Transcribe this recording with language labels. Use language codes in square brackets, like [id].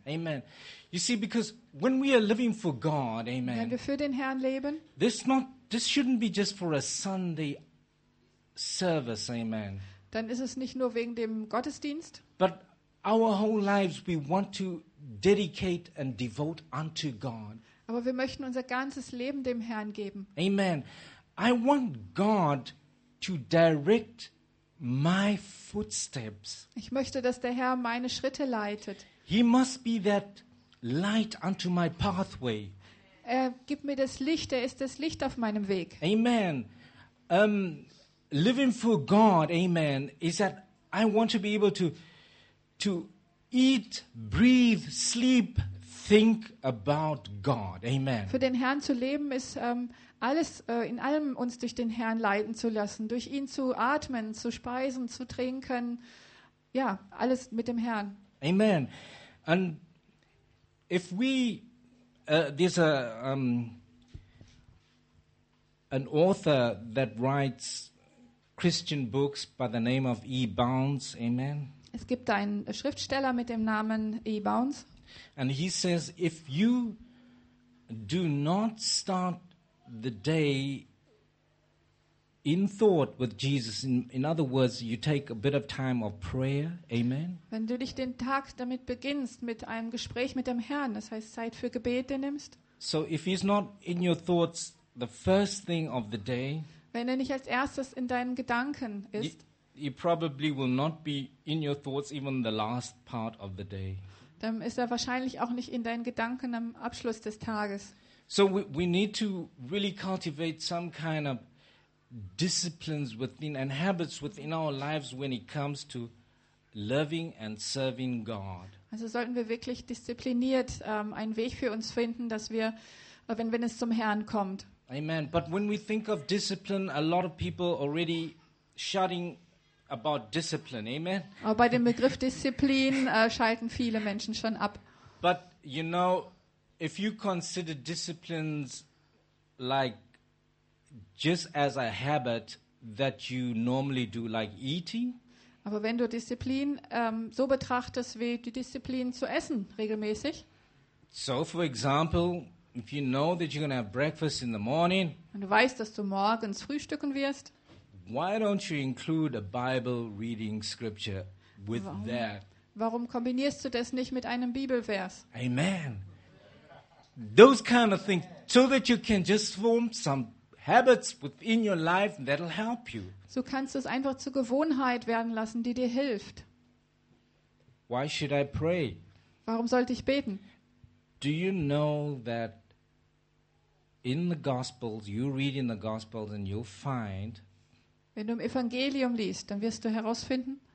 [en] Amen. You see, because when we are living for God, amen. [de] Wenn wir für den Herrn leben, [en] this shouldn't be just for a Sunday service. Amen. [de] Dann ist es nicht nur wegen dem Gottesdienst. [en] But our whole lives, we want to dedicate and devote unto God. [de] Aber wir möchten unser ganzes Leben dem Herrn geben. [en] Amen. I want God to direct my footsteps. [de] Ich möchte, dass der Herr meine Schritte leitet. [en] He must be that light unto my pathway. [de] Er gibt mir das Licht, er ist das Licht auf meinem Weg. [en] Amen. Living for God, amen, is that I want to be able to eat, breathe, sleep, think about God. Amen. [de] Für den Herrn zu leben ist alles in allem uns durch den Herrn leiten zu lassen, durch ihn zu atmen, zu speisen, zu trinken. Ja, alles mit dem Herrn. [en] Amen. And if we there's a an author that writes Christian books by the name of E. Bounds. Amen. [de] Es gibt einen Schriftsteller mit dem Namen E. Bounds. [en] And he says, if you do not start the day in thought with Jesus, in other words, you take a bit of time of prayer, amen. [de] Wenn du dich den Tag damit beginnst, mit einem Gespräch mit dem Herrn, das heißt Zeit für Gebete nimmst. [en] So if he's not in your thoughts the first thing of the day. [de] Wenn er nicht als erstes in deinen Gedanken ist. [en] He probably will not be in your thoughts even the last part of the day. [de] Dann ist er wahrscheinlich auch nicht in deinen Gedanken am Abschluss des Tages. [en] So we need to really cultivate some kind of disciplines within and habits within our lives when it comes to loving and serving God. [de] Also sollten wir wirklich diszipliniert einen Weg für uns finden, dass wir wenn es zum Herrn kommt. [en] Amen. But when we think of discipline, a lot of people already shutting about discipline, amen. [de] Aber bei dem Begriff Disziplin schalten viele Menschen schon ab. [en] But you know, if you consider disciplines like just as a habit that you normally do, like eating. [de] Aber wenn du Disziplin so betrachtest wie die Disziplin zu essen regelmäßig. [en] So, for example, if you know that you're going to have breakfast in the morning. [de] Und du weißt, dass du morgens frühstücken wirst. [en] Why don't you include a Bible reading scripture with that? [de] Warum kombinierst du das nicht mit einem Bibelvers? [en] Amen. Those kind of things, so that you can just form some habits within your life that'll help you. [de] So kannst du es einfach zur Gewohnheit werden lassen, die dir hilft. [en] Why should I pray? [de] Warum sollte ich beten? [en] Do you know that in the Gospels, you read in the Gospels and you'll find, [de] wenn du im Evangelium liest, dann wirst du herausfinden,